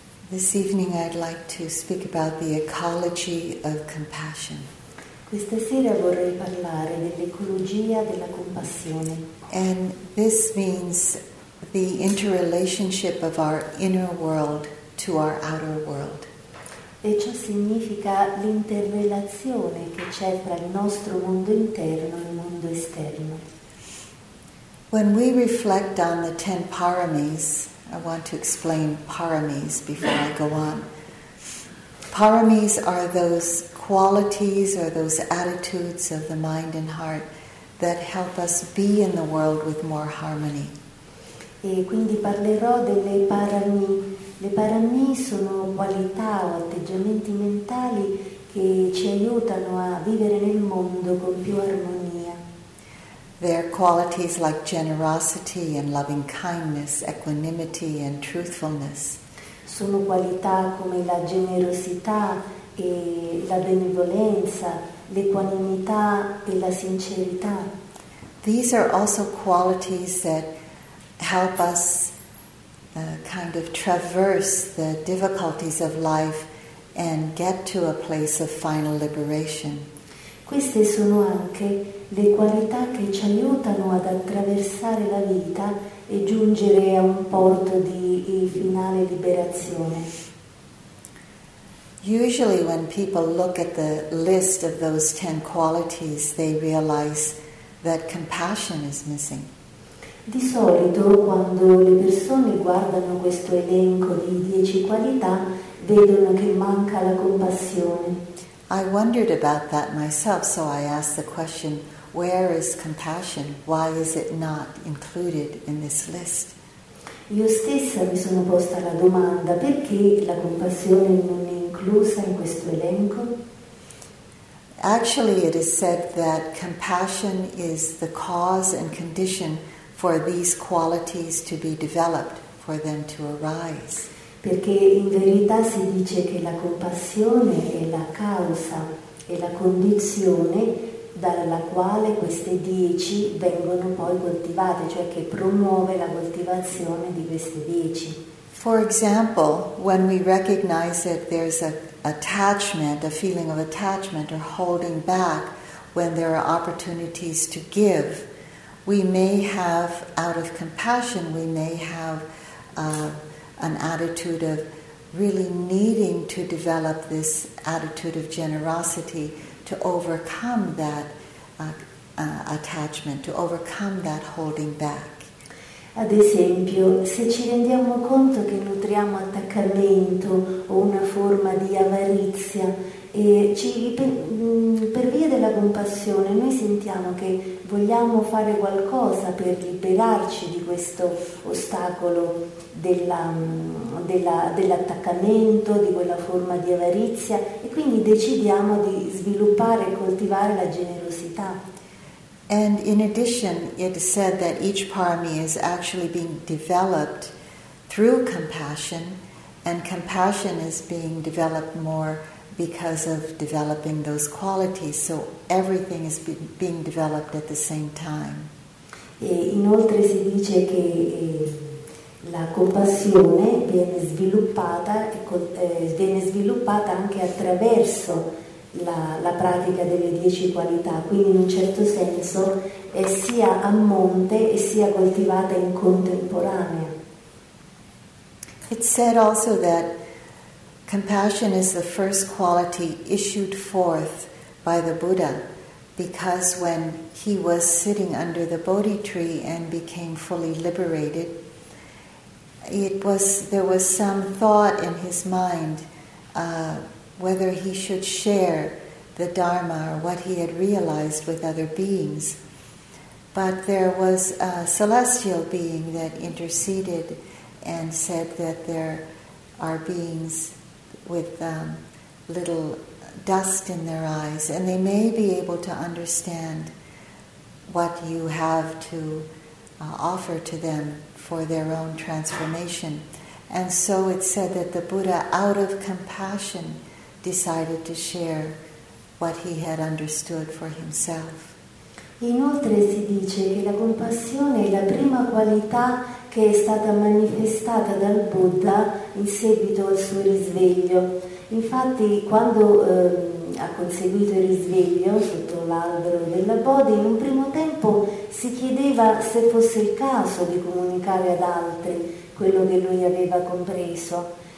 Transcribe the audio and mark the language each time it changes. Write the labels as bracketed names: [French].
[English] This evening I'd like to speak about the ecology of compassion. [Italian] Questa sera vorrei parlare dell'ecologia della compassione. [English] And this means the interrelationship of our inner world to our outer world. [Italian] E ciò significa l'interrelazione che c'è fra il nostro mondo interno e il mondo esterno. [English] When we reflect on the ten paramis, I want to explain paramis before I go on. Paramis are those qualities or those attitudes of the mind and heart that help us be in the world with more harmony. [Italian] E quindi parlerò delle parami. Le parami sono qualità o atteggiamenti mentali che ci aiutano a vivere nel mondo con più armonia. [English] They are qualities like generosity and loving kindness, equanimity and truthfulness. [Italian] Sono qualità come la generosità e la benevolenza, l'equanimità e la sincerità. [English] These are also qualities that help us kind of traverse the difficulties of life and get to a place of final liberation. [Italian] Queste sono anche le qualità che ci aiutano ad attraversare la vita e giungere a un porto di finale liberazione. [English] Usually when people look at the list of those ten qualities, they realize that compassion is missing. [Italian] Di solito, quando le persone guardano questo elenco di 10 qualità, vedono che manca la compassione. [English] I wondered about that myself, so I asked the question, where is compassion? Why is it not included in this list? [Italian] Io stessa mi sono posta la domanda, perché la compassione non è inclusa in questo elenco? [English] Actually, it is said that compassion is the cause and condition for these qualities to be developed, for them to arise. [Italian] Perché in verità si dice che la compassione è la causa, è la condizione dalla quale queste 10 vengono poi coltivate, cioè che promuove la coltivazione di queste 10. [English] For example, when we recognize that there's an attachment, a feeling of attachment or holding back when there are opportunities to give, we may have, out of compassion, we may have an attitude of really needing to develop this attitude of generosity to overcome that attachment, to overcome that holding back. [Italian] Ad esempio, se ci rendiamo conto che nutriamo attaccamento o una forma di avarizia, e ci, per via della compassione noi sentiamo che vogliamo fare qualcosa per liberarci di questo ostacolo dell'attaccamento, di quella forma di avarizia, e quindi decidiamo di sviluppare e coltivare la generosità. [English] And in addition, it is said that each parami is actually being developed through compassion, and compassion is being developed more because of developing those qualities, so everything is being developed at the same time. [Italian] E inoltre si dice che la compassione viene sviluppata anche attraverso la pratica delle 10 qualità, quindi in un certo senso è sia a monte e sia coltivata in contemporanea. [English] It's said also that compassion is the first quality issued forth by the Buddha, because when he was sitting under the Bodhi tree and became fully liberated, there was some thought in his mind whether he should share the Dharma or what he had realized with other beings. But there was a celestial being that interceded and said that there are beings with little dust in their eyes, and they may be able to understand what you have to offer to them for their own transformation. And so it's said that the Buddha, out of compassion, decided to share what he had understood for himself. [Italian] Inoltre si dice che la compassione è la prima qualità che è stata manifestata dal Buddha in seguito al suo risveglio. Infatti, quando ha conseguito il risveglio sotto l'albero della Bodhi, in un primo tempo si chiedeva se fosse il caso di comunicare ad altri quello che lui aveva compreso.